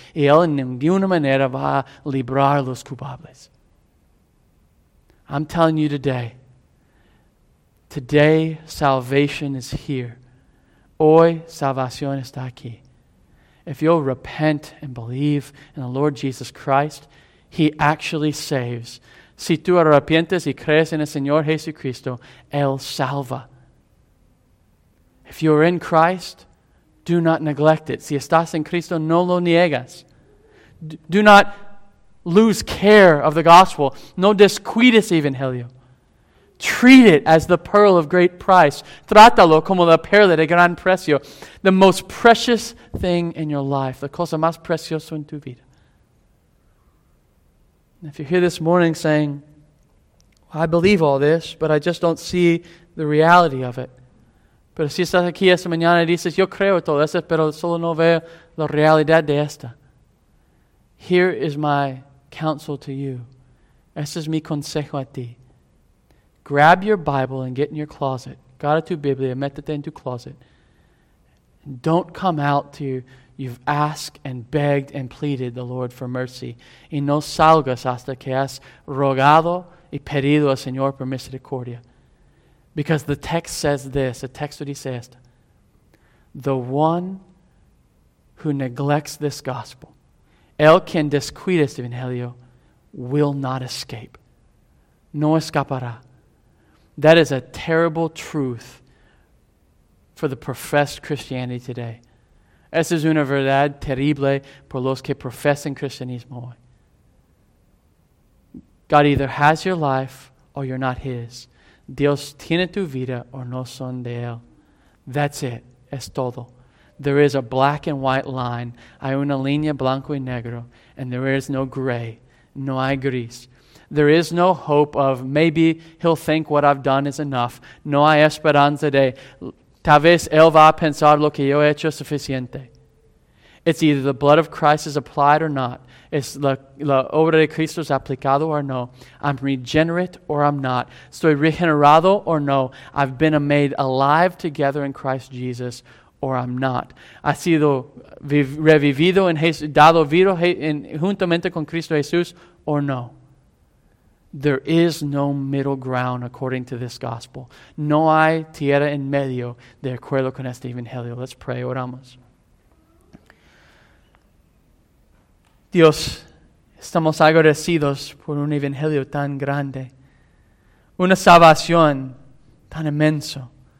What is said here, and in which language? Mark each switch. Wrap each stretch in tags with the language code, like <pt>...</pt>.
<es>Y él en ninguna manera va a librar los culpables.</es> <en>I'm telling you today, today salvation is here.</en> <es>Hoy salvación está aquí.</es> <en>If you'll repent and believe in the Lord Jesus Christ, he actually saves.</en> <es>Si tú arrepientes y crees en el Señor Jesucristo, Él salva.</es> <en>If you are in Christ, do not neglect it.</en> <es>Si estás en Cristo, no lo niegas.</es> <en>Do not lose care of the gospel.</en> <es>No descuides el Evangelio.</es> <en>Treat it as the pearl of great price.</en> <es>Trátalo como la perla de gran precio.</es> <en>The most precious thing in your life.</en> <es>La cosa más preciosa en tu vida.</es> <en>If you're here this morning saying, well, I believe all this, but I just don't see the reality of it.</en> <es>Pero si estás aquí esta mañana y dices, yo creo todo eso, pero solo no veo la realidad de esta.</es> <en>Here is my counsel to you.</en> <es>Este es mi consejo a ti.</es> <en>Grab your Bible and get in your closet.</en> <es>Gara tu Biblia, métete en tu closet.</es> <en>Don't come out to you've asked and begged and pleaded the Lord for mercy.</en> <es>Y no salgas hasta que has rogado y pedido al Señor por misericordia.</es> <en>Because the text says this, the</en> <es>texto dice esto.</es> <en>The one who neglects this gospel,</en> <es>el quien descuida este evangelio,</es> <en>will not escape.</en> <es>No escapará.</es> <en>That is a terrible truth for the professed Christianity today.</en> <es>Esa es una verdad terrible por los que profesan cristianismo hoy.</es> <en>God either has your life or you're not his.</en> <es>Dios tiene tu vida o no son de él.</es> <en>That's it.</en> <es>Es todo.</es> <en>There is a black and white line.</en> <es>Hay una línea blanco y negro.</es> <en>And there is no gray.</en> <es>No hay gris.</es> <en>There is no hope of maybe he'll think what I've done is enough.</en> <es>No hay esperanza de tal vez él va a pensar lo que yo he hecho suficiente.</es> <en>It's either the blood of Christ is applied or not.</en> <es>Es la obra de Cristo es aplicado or no.</es> <en>I'm regenerate or I'm not.</en> <es>Estoy regenerado or no.</es> <en>I've been made alive together in Christ Jesus or I'm not.</en> <es>Ha sido revivido en Jesús, dado vivo juntamente con Cristo Jesús or no.</es> <en>There is no middle ground according to this gospel.</en> <es>No hay tierra en medio de acuerdo con este evangelio.</es> <en>Let's pray,</en> <es>oramos. Dios, Estamos agradecidos por un evangelio tan grande, una salvación tan inmenso.</es>